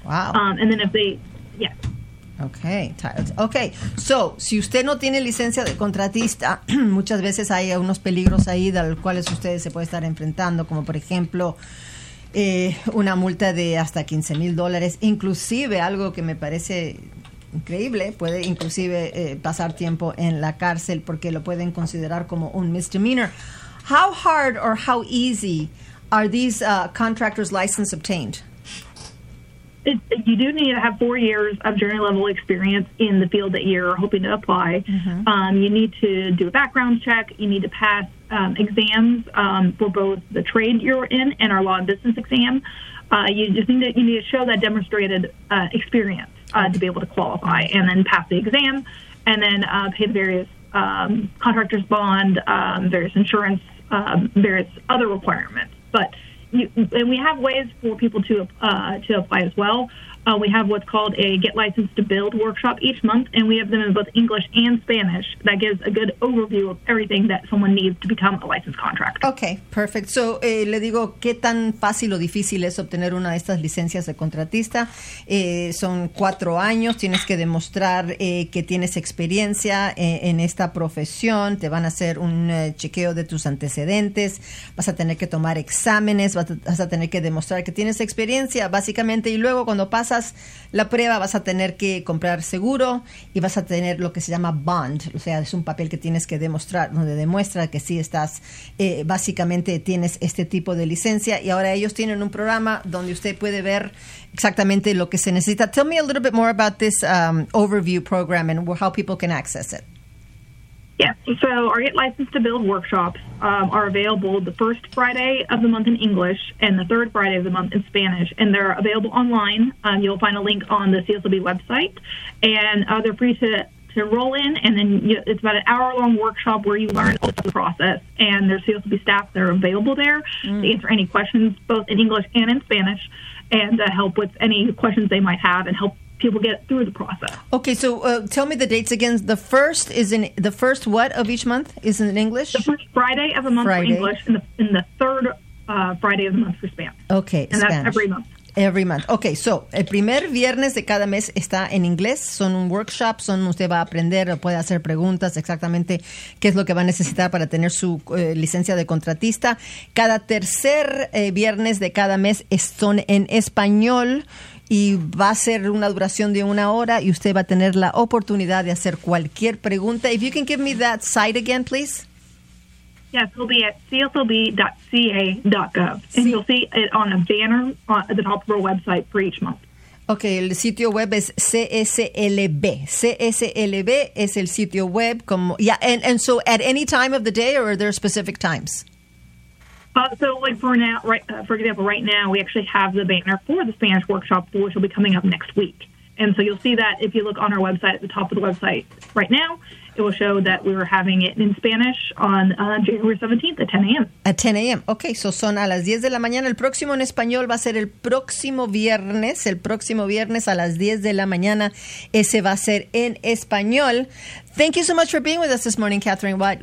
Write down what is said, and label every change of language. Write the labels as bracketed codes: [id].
[en] Wow. And then if they, yeah. Okay. [es] So, si usted no tiene licencia de contratista, muchas veces hay unos peligros ahí de los cuales ustedes se puede estar enfrentando, como por ejemplo, una multa de hasta $15,000, inclusive algo que me parece increíble, puede inclusive pasar tiempo en la cárcel porque lo pueden considerar como un misdemeanor. [en] How hard or how easy are these contractors' license obtained? You do need to have 4 years of journey level experience in the field that you're hoping to apply. Mm-hmm. You need to do a background check. You need to pass exams for both the trade you're in and our law and business exam. You need to show that demonstrated experience. To be able to qualify, and then pass the exam, and then pay the various contractor's bond, various insurance, various other requirements. But we have ways for people to apply as well. We have what's called a Get Licensed to Build workshop each month, and we have them in both English and Spanish. That gives a good overview of everything that someone needs to become a licensed contractor. Okay, perfect. [es] So, le digo, ¿qué tan fácil o difícil es obtener una de estas licencias de contratista? Son 4 años. Tienes que demostrar que tienes experiencia en esta profesión. Te van a hacer un chequeo de tus antecedentes. Vas a tener que tomar exámenes. Vas a tener que demostrar que tienes experiencia, básicamente. Y luego, cuando pasas pasas la prueba, vas a tener que comprar seguro y vas a tener lo que se llama bond, o sea, es un papel que tienes que demostrar, donde demuestra que sí estás, básicamente tienes este tipo de licencia. Y ahora ellos tienen un programa donde usted puede ver exactamente lo que se necesita. [en] Tell me a little bit more about this overview program and how people can access it. Yes. So our Get Licensed to Build workshops are available the first Friday of the month in English and the third Friday of the month in Spanish. And they're available online. You'll find a link on the CSLB website. And they're free to roll in. And then it's about an hour-long workshop where you learn the process. And there's CSLB staff that are available there to answer any questions, both in English and in Spanish, and help with any questions they might have and help people get through the process. Okay, so tell me the dates again. The first is in the first what of each month is in English? The first Friday of the month Friday. For English and the third Friday of the month for Spanish. Okay, and Spanish. That's every month. Every month. [es] Okay, so el primer viernes de cada mes está en inglés. Son un workshop, son usted va a aprender, puede hacer preguntas exactamente qué es lo que va a necesitar para tener su licencia de contratista. Cada tercer viernes de cada mes son en español y va a ser una duración de una hora y usted va a tener la oportunidad de hacer cualquier pregunta. [en] If you can give me that site again, please. Yes, it'll be at cslb.ca.gov, sí. And you'll see it on a banner at the top of our website for each month. [es] Okay, el sitio web es CSLB. CSLB es el sitio web. [en] Como, yeah, and so at any time of the day, or are there specific times? For example, right now we actually have the banner for the Spanish workshop, which will be coming up next week. And so you'll see that if you look on our website, at the top of the website right now, it will show that we were having it in Spanish on January 17th at 10 a.m. At 10 a.m. [es] Okay, so son a las 10 de la mañana. El próximo en español va a ser el próximo viernes a las 10 de la mañana. Ese va a ser en español. [en] Thank you so much for being with us this morning, Catherine Watt.